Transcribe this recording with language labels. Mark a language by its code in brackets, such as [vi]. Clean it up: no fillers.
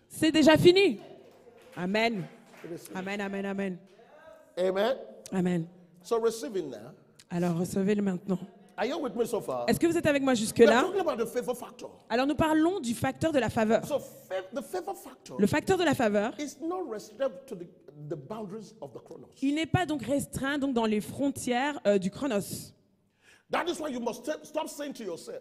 [fr] C'est déjà fini. Amen. [en] It is finished. Amen, amen, amen. Amen. Amen. So receiving now. [fr] Alors, recevez-le maintenant. [en] Are you with me so far? [fr] Est-ce que vous êtes avec moi jusque-là? [en] We're talking about the favor factor. [fr] Alors nous parlons du facteur de la faveur. [en] So, the favor factor, [fr] le facteur de la faveur, [en] is not restricted to the boundaries of the chronos. [fr] Il n'est pas donc restreint donc dans les frontières du chronos. [en] That is why you must stop saying to yourself,